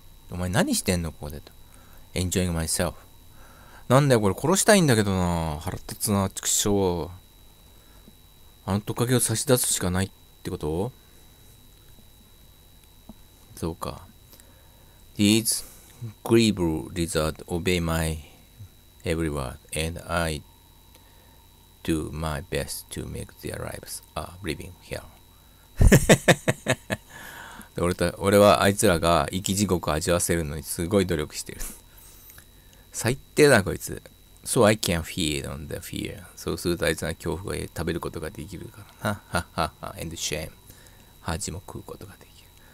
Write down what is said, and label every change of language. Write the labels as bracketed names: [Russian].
[Japanese] お前何してんのここでと。 [English] Enjoying myself. [Japanese] なんだよこれ、殺したいんだけどな。腹立つな、畜生。あのトカゲを差し出すしかないってこと？そうか。 [English] These greedy lizards obey my every word, and I do my best to make their lives a living hell. [Japanese] 俺はあいつらが生き地獄を味わわせるのにすごい努力してる。最低だこいつ。 [English] So I can feed on the fear. [Japanese] そうするとあいつが恐怖を食べることができるからな。 [English] And shame. [Japanese] 恥も食うことができる。